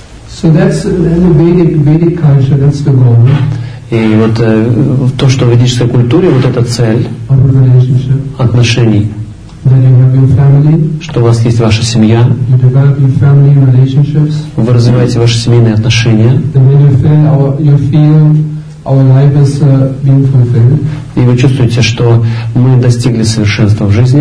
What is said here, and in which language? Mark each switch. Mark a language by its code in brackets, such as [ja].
[en] So that's the Vedic culture, that's the goal. [ru] И вот то, что в ведической культуре, вот эта цель отношений. [en] That you have your family. [ru] Что у вас есть ваша семья. [en] You develop your family relationships. [ru] Вы развиваете ваши семейные отношения. [en] And when you feel our life is being fulfilled. [ru] И вы чувствуете, что мы достигли совершенства в жизни.